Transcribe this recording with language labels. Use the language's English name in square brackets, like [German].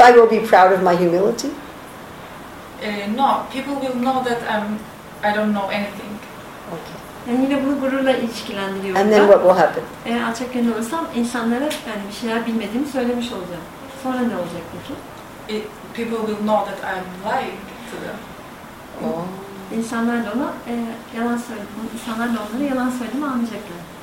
[English] I will be proud of my humility? No, people will know that I don't know anything. Okay. [Turkish] Yani yine bunu gururla ilişkilendiriyorum. [English] And then what will happen? [Turkish] Eğer alçak gönüllü olursam insanlara yani bir şeyler bilmediğimi söylemiş olacağım. Sonra ne olacak peki? [English] People will know that I'm lying to them. Oh. [Turkish] İnsanlar da ona yalan söyledim. İnsanlar da onlara yalan söylediğimi anlayacaklar.